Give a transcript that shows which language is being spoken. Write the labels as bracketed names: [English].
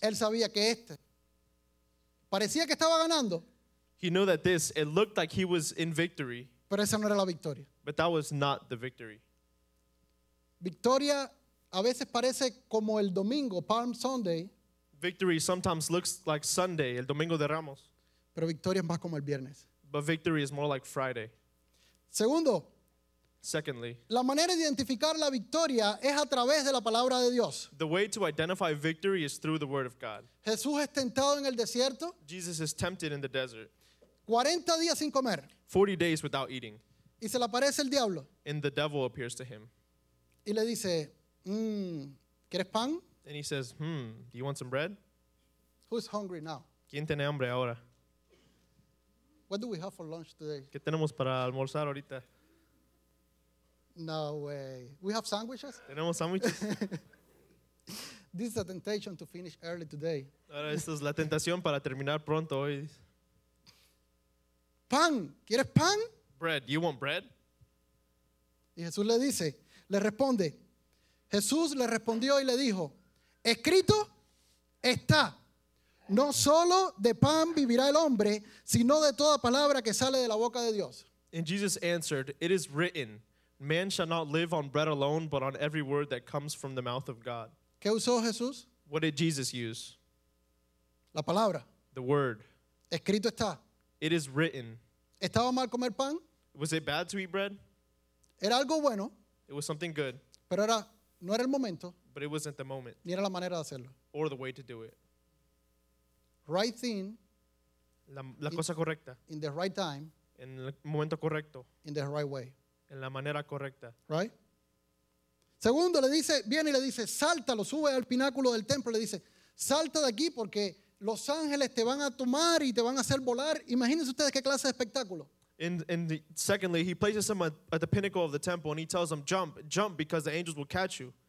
[Spanish] Él sabía que este parecía que estaba ganando. [English] He knew that this, it looked like he was in victory. [Spanish] Pero esa no era la victoria. [English] But that was not the victory. [Spanish] Victoria a veces parece como el domingo, Palm Sunday. [English] Victory sometimes looks like Sunday, el Domingo de Ramos. [Spanish] Pero victoria es más como el viernes. [English] But victory is more like Friday. [Spanish] Segundo. [English] Secondly, [Spanish] la manera de identificar la victoria es a través de la palabra de Dios. [English] The way to identify victory is through the word of God. [Spanish] Jesús es tentado en el desierto. [English] Jesus is tempted in the desert. [Spanish] 40 días sin comer. [English] 40 days without eating. [Spanish] Y se le aparece el diablo. [English] And the devil appears to him. [Spanish] Y le dice, ¿quieres pan? [English] And he says, do you want some bread? Who's hungry now? [Spanish] ¿Quién tiene hambre ahora? [English] What do we have for lunch today? [Spanish] ¿Qué tenemos para almorzar ahorita? [English] No way. We have sandwiches? [Spanish] ¿Tenemos sandwiches? [English] This is a temptation to finish early today. [Spanish] Ahora, esta es la tentación para terminar pronto hoy. Pan. ¿Quieres pan? [English] Bread. You want bread? [Spanish] Y Jesús le dice, le responde. Jesús le respondió y le dijo, escrito está. No solo de pan vivirá el hombre, sino de toda palabra que sale de la boca de Dios. [English] And Jesus answered, it is written, man shall not live on bread alone, but on every word that comes from the mouth of God. [Spanish] ¿Qué usó Jesús? [English] What did Jesus use? [Spanish] La palabra. [English] The word. [Spanish] Escrito está. [English] It is written. [Spanish] ¿Estaba mal comer pan? [English] Was it bad to eat bread? [Spanish] Era algo bueno. [English] It was something good. [Spanish] Pero era, no era el momento. [English] But it wasn't the moment. [Spanish] Ni era la manera de hacerlo. [English] Or the way to do it. Right thing. [Spanish] La cosa correcta. [English] In the right time. [Spanish] En el momento correcto. [English] In the right way. [Spanish] En la manera correcta. [English] Right? [Spanish] Segundo, le dice, viene y le dice, salta, lo sube al pináculo del templo, le dice, salta de aquí porque los ángeles te van a tomar y te van a hacer volar. Imagínense ustedes qué clase de espectáculo. [English] And secondly, he places him at the pinnacle of the temple and he tells him, jump, jump, because the angels will catch you.